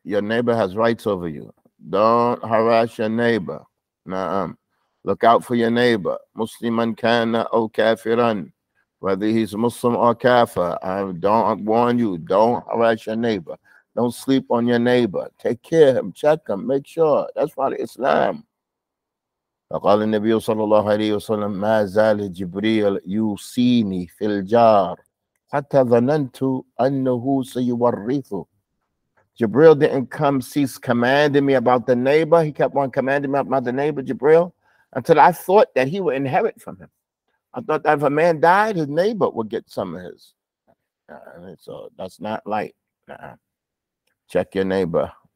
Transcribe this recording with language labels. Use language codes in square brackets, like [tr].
[en] Your neighbor has rights over you. Don't harass your neighbor. نعم. Look out for your neighbor. [ar] مسلما كان أو كافرا. [en] Whether he's Muslim or kafir, I warn you, don't harass your neighbor. Don't sleep on your neighbor. Take care of him, check him, make sure. That's part of Islam. [ar] فقال النبي صلى الله عليه وسلم ما زال جبريل يوصيني في الجار حتى ظننت أنه سيورثه. [en] Jibril didn't come cease commanding me about the neighbor. He kept on commanding me about the neighbor, Jibril, until I thought that he would inherit from him. I thought that if a man died, his neighbor would get some of his. So that's not light. Check your neighbor.